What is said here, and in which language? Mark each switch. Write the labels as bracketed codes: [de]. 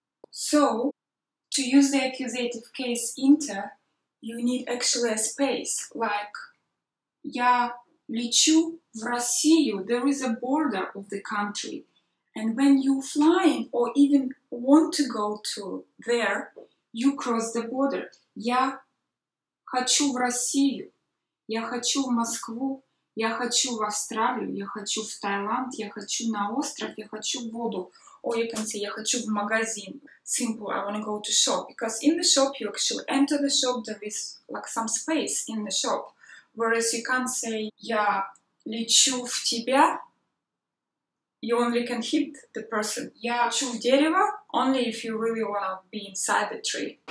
[en] So, to use the accusative case inter, you need actually a space, like [ru] я лечу в Россию, [en] there is a border of the country. And when you flying or even want to go to there, you cross the border. [ru] Я хочу в Россию, я хочу в Москву, я хочу в Австралию, я хочу в Таиланд, я хочу на остров, я хочу в воду. [en] Or you can say, [ru] я хочу в магазин. [en] Simple, I want to go to shop. Because in the shop, you actually enter the shop, there is like some space in the shop. Whereas you can't say, [ru] я лечу в тебя. [en] You only can hit the person. [ru] Я лечу в дерево, [en] only if you really want to be inside the tree.